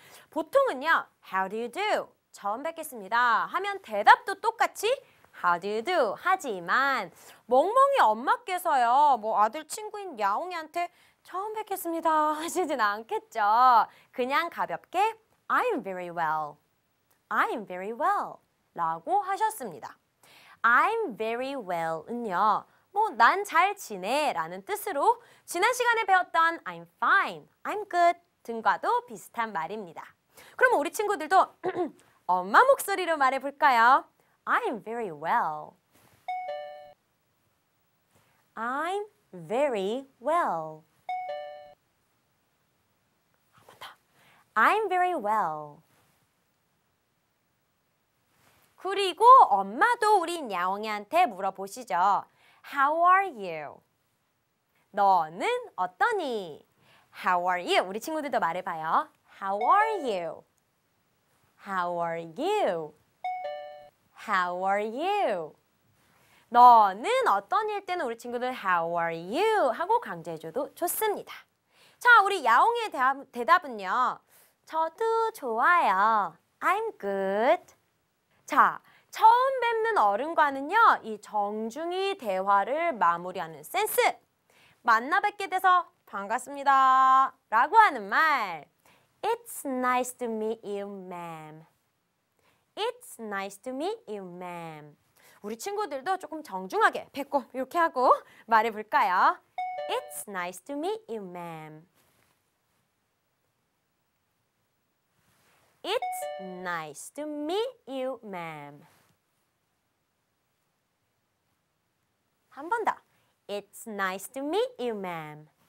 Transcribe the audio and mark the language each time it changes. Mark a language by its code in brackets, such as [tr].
[ko] 보통은요 [en] How do you do? [ko] 처음 뵙겠습니다 하면 대답도 똑같이 [en] How do you do? [ko] 하지만 멍멍이 엄마께서요 뭐 아들 친구인 야옹이한테 처음 뵙겠습니다 하시진 않겠죠. 그냥 가볍게 [en] I'm very well. I'm very well. [ko] 라고 하셨습니다. [en] I'm very well은요. [ko] 뭐 난 잘 지내 라는 뜻으로 지난 시간에 배웠던 [en] I'm fine, I'm good [ko] 등과도 비슷한 말입니다. 그럼 우리 친구들도 엄마 목소리로 말해볼까요? [en] I'm very well. I'm very well. [ko] 한번 더. [en] I'm very well. [ko] 그리고 엄마도 우리 야옹이한테 물어보시죠. [en] How are you? [ko] 너는 어떠니? [en] How are you? [ko] 우리 친구들도 말해봐요. [en] How are you? How are you? How are you? [ko] 너는 어떤 일 때는 우리 친구들 [en] How are you? [ko] 하고 강조해줘도 좋습니다. 자, 우리 야옹이의 대답은요. 저도 좋아요. [en] I'm good. [ko] 자, 처음 뵙는 어른과는요. 이 정중히 대화를 마무리하는 센스. 만나 뵙게 돼서 반갑습니다. 라고 하는 말. [en] It's nice to meet you, ma'am. It's nice to meet you, ma'am. [ko] 우리 친구들도 조금 정중하게 뵙고 이렇게 하고 말해볼까요? [en] It's nice to meet you, ma'am. It's nice to meet you, ma'am. [ko] 한 번 더. [en] It's nice to meet you, ma'am.